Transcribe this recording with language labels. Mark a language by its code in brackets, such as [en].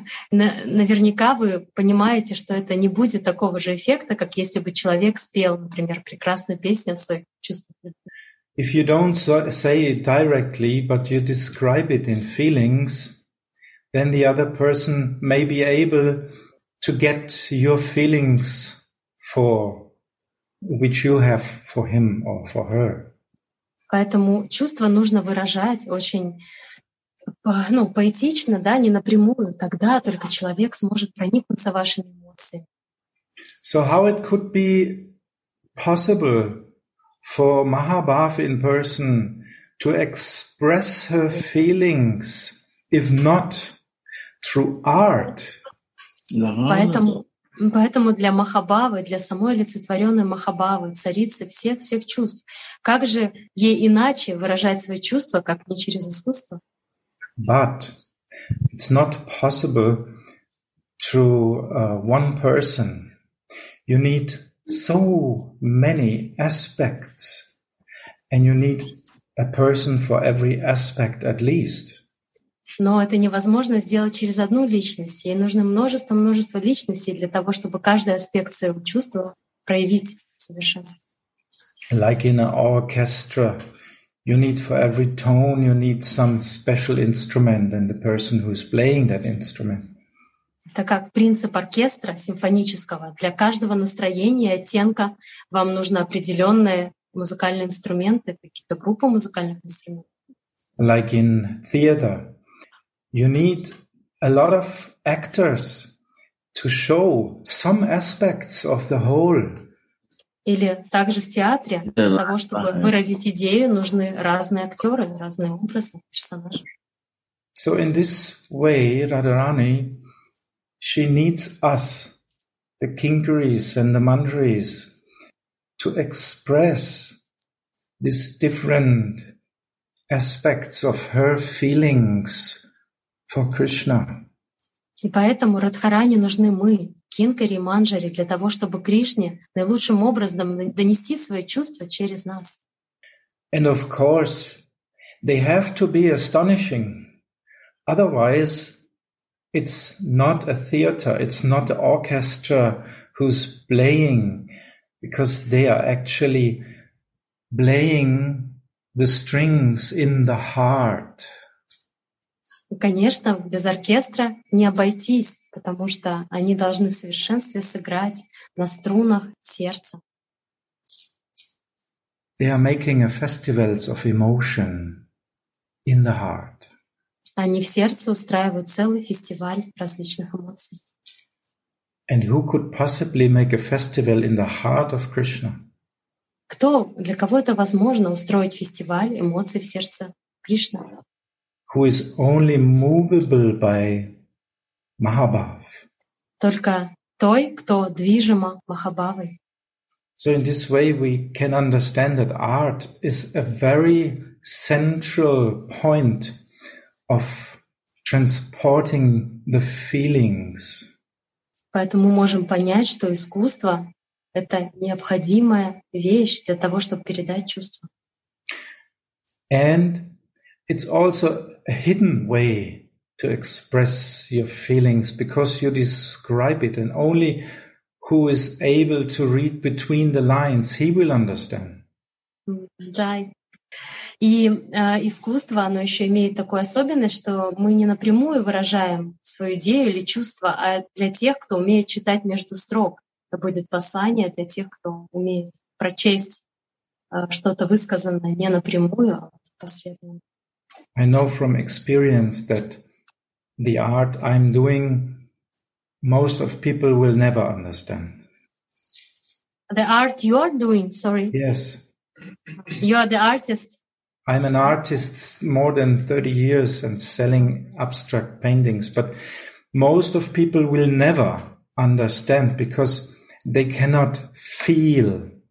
[ru] Наверняка вы понимаете, что это не будет такого же эффекта, как если бы человек спел, например, прекрасную песню о своих чувствах. [en] If you don't say it directly, but you describe it in feelings, then the other person may be able to get your feelings for which you have for him or for her. [ru] Поэтому чувства нужно выражать очень, ну, поэтично, да, не напрямую. Тогда только человек сможет проникнуться вашими эмоциями. [en] So how it could be possible for Mahabharata in person to express her feelings, if not through art? [ru] Поэтому для Махабавы, для самой олицетворённой Махабавы, царицы всех чувств, как же ей иначе выражать свои чувства, как не через искусство? [en] But it's not possible through one person. You need so many aspects, and you need a person for every aspect at least. [ru] Но это невозможно сделать через одну личность. Ей нужно множество личностей для того, чтобы каждый аспект своего чувства проявить в совершенстве. [en] Like in an orchestra, you need for every tone, you need some special instrument and the person who is playing that instrument. [ru] Это как принцип оркестра симфонического. Для каждого настроения, оттенка вам нужны определенные музыкальные инструменты, какие-то группы музыкальных инструментов. [en] Like in theater. You need a lot of actors to show some aspects of the whole. [ru] Или также в театре, для того, чтобы выразить идею, нужны разные актеры, разные образы, персонажи. [en] So in this way, Radharani, she needs us, the Kinkaris and the Mandaris, to express these different aspects of her feelings for Krishna. [ru] И поэтому Радхарани нужны мы, Кинкари и Манджари, для того, чтобы Кришне наилучшим образом донести свои чувства через нас. [en] And of course, they have to be astonishing. Otherwise, it's not a theater, it's not an orchestra who's playing, because they are actually playing the strings in the heart. [ru] Конечно, без оркестра не обойтись, потому что они должны в совершенстве сыграть на струнах сердца. [en] They are making a festival of emotion in the heart. [ru] Они в сердце устраивают целый фестиваль различных эмоций. [en] And who could possibly make a festival in the heart of Krishna? [ru] Кто, для кого это возможно, устроить фестиваль эмоций в сердце Кришны? [en] Who is only movable by Mahabhav. [ru] Только той, кто движима Махабхавой. [en] So in this way we can understand that art is a very central point of transporting the feelings. [ru] Поэтому мы можем понять, что искусство — это необходимая вещь для того, чтобы передать чувства. [en] And it's also a hidden way to express your feelings because you describe it, and only who is able to read between the lines, he will understand. [ru] И искусство, оно еще имеет такую особенность, что мы не напрямую выражаем свою идею или чувство, а для тех, кто умеет читать между строк, это будет послание для тех, кто умеет прочесть что-то высказанное не напрямую, а последовательно. [en] I know from experience that the art I'm doing, most of people will never understand. The art you are doing, sorry. Yes. You are the artist. I'm an artist more than 30 years and selling abstract paintings, but most of people will never understand because they cannot feel.